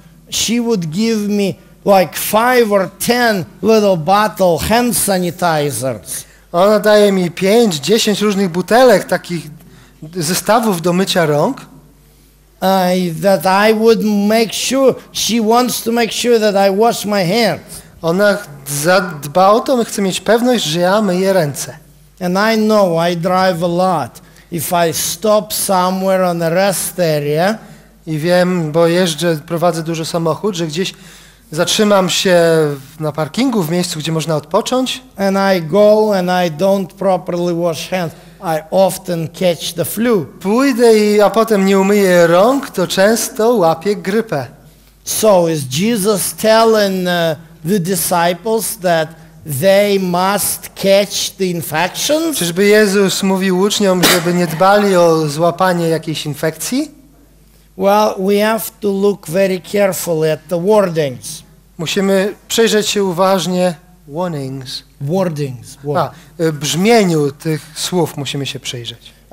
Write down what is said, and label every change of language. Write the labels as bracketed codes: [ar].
[en] She would give me like 5 or 10 little bottle hand sanitizers. [pl] Ona daje mi 5-10 różnych butelek takich zestawów do mycia rąk. [en] That I would make sure, she wants to make sure that I wash my hands. [pl] Ona zadba o to, my chce mieć pewność, że ja myję ręce. [en] And I know I drive a lot. If I stop somewhere on a rest area. I wiem, bo jeżdżę, prowadzę duży samochód, że gdzieś zatrzymam się na parkingu, w miejscu, gdzie można odpocząć. And I go and I don't properly wash hands. I often catch the flu. [pl] Pójdę i a potem nie umyję rąk, to często łapię grypę. [en] So is Jesus telling the disciples that they must catch the infection? [pl] Czyżby Jezus mówił uczniom, żeby nie dbali o złapanie jakiejś infekcji? [en] Well, we have to look very carefully at the wordings. [pl] Musimy przyjrzeć się uważnie warnings. [en] Wordings. [pl] A, brzmieniu tych słów musimy się przyjrzeć.